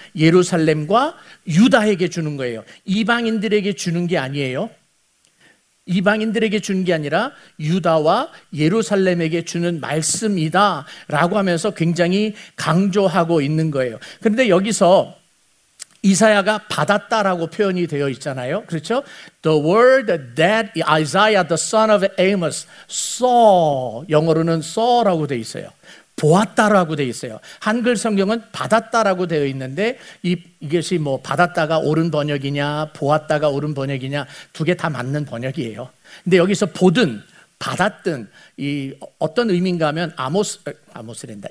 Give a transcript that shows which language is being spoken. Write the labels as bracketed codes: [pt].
[ko] 예루살렘과 유다에게 주는 거예요. 이방인들에게 주는 게 아니에요. 이방인들에게 준게 아니라 유다와 예루살렘에게 주는 말씀이다라고 하면서 굉장히 강조하고 있는 거예요. 그런데 여기서 이사야가 받았다라고 표현이 되어 있잖아요. 그렇죠? [en] The word that Isaiah, the son of Amos, saw. [ko] 영어로는 saw라고 되어 있어요. 보았다라고 되어 있어요. 한글 성경은 받았다라고 되어 있는데 이것이 뭐 받았다가 옳은 번역이냐, 보았다가 옳은 번역이냐 두개다 맞는 번역이에요. 근데 여기서 보든 받았든 이 어떤 의미인가 하면 아모스랜다.